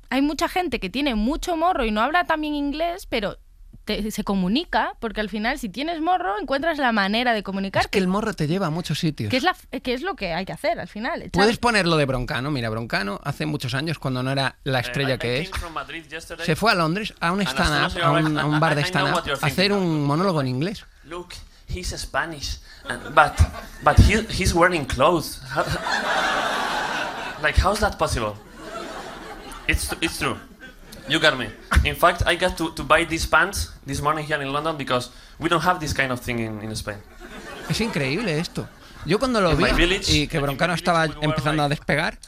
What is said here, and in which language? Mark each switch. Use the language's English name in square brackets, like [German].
[Spanish] Hay mucha gente que tiene mucho morro y no habla también inglés, pero se comunica, porque al final, si tienes morro, encuentras la manera de comunicar. Es que el morro te lleva a muchos sitios. Que es lo que hay que hacer al final. ¿Sabes? Puedes ponerlo de Broncano. Mira, Broncano, hace muchos años, cuando no era la estrella que es, se fue a Londres a un stand-up, a un bar de stand-up, a hacer un monólogo en inglés. [English] Look, he's Spanish, but he's wearing clothes. Like, how's that possible? It's true. You got me. In fact, I got to buy these pants this morning here in London because we don't have this kind of thing in Spain. [Spanish] Es increíble esto. Yo cuando lo [English] in [Spanish] vi [English] village, [Spanish] y que Broncano estaba empezando a despegar,